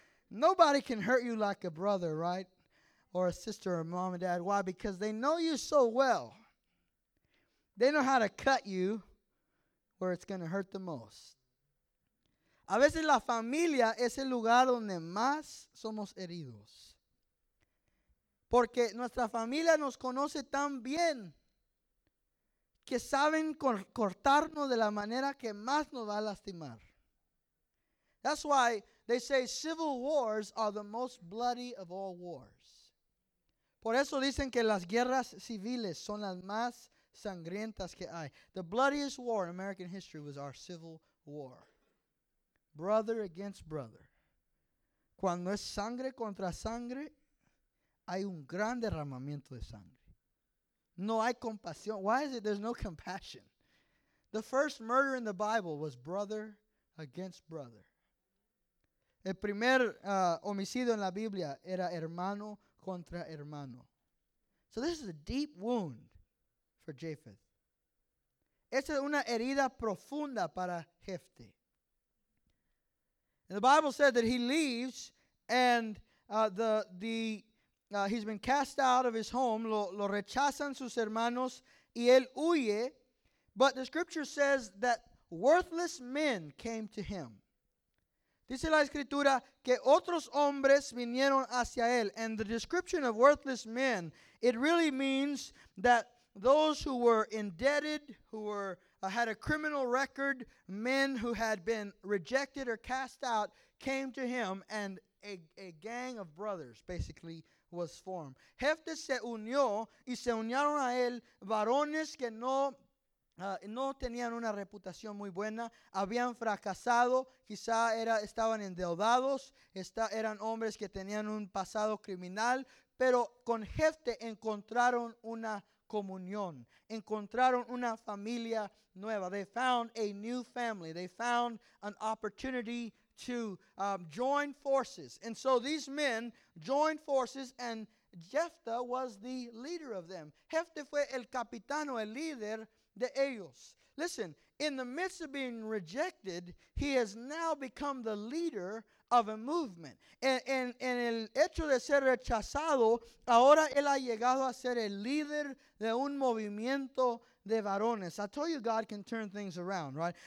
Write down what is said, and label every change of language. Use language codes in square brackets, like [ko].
[en] Nobody can hurt you like a brother, right? Or a sister or mom and dad. Why? Because they know you so well. They know how to cut you where it's going to hurt the most. [es] A veces la familia es el lugar donde más somos heridos. Porque nuestra familia nos conoce tan bien que saben cortarnos de la manera que más nos va a lastimar. [en] That's why they say civil wars are the most bloody of all wars. [es] Por eso dicen que las guerras civiles son las más sangrientas que hay. [en] The bloodiest war in American history was our civil war. Brother against brother. [es] Cuando es sangre contra sangre, hay un gran derramamiento de sangre. No hay compasión. [en] Why is it there's no compassion? The first murder in the Bible was brother against brother. [es] El primer homicidio en la Biblia era hermano contra hermano. [en] So this is a deep wound for Japheth. [es] Esta es una herida profunda para Jephthah. [en] And the Bible said that he leaves and he's been cast out of his home. [es] Lo rechazan sus hermanos y él huye. [en] But the scripture says that worthless men came to him. [es] Dice la escritura que otros hombres vinieron hacia él. [en] And the description of worthless men, it really means that those who were indebted, who were had a criminal record, men who had been rejected or cast out, came to him, and a gang of brothers basically was formed. [es] Jephthah se unió y se unieron a él varones que no tenían una reputación muy buena, habían fracasado, quizá estaban endeudados, eran hombres que tenían un pasado criminal, pero con Jephthah encontraron una comunión, encontraron una familia nueva. [en] They found a new family. They found an opportunity to join forces. And so these men joined forces, and Jephthah was the leader of them. [es] Jephthah fue el capitano, el líder de ellos. [en] Listen, in the midst of being rejected, he has now become the leader of a movement. [es] En el hecho de ser rechazado, ahora él ha llegado a ser el líder de un movimiento de varones. [en] I told you God can turn things around, right?